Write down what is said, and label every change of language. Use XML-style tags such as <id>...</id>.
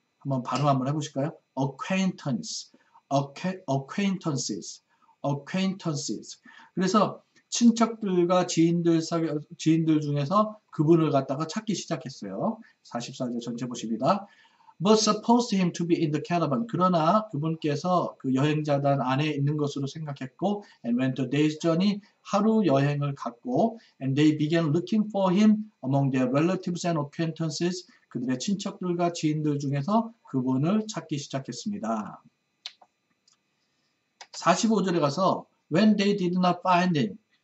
<ko>한번 발음 한번 해보실까요?</ko> <en>Acquaintance, acquaintances. acquaintances.</en> <ko>그래서 친척들과 지인들 중에서 그분을 갖다가 찾기 시작했어요. 44절 전체 보십니다.</ko> <en>But supposed him to be in the caravan.</en> <ko>그러나 그분께서 그 여행자단 안에 있는 것으로 생각했고,</ko> <en>and went a day's journey</en> <ko>하루 여행을 갔고,</ko> <en>and they began looking for him among their relatives and acquaintances.</en> <ko>그들의 친척들과 지인들 중에서 그분을 찾기 시작했습니다. 45절에 가서</ko> <en>when they did not find him.</en>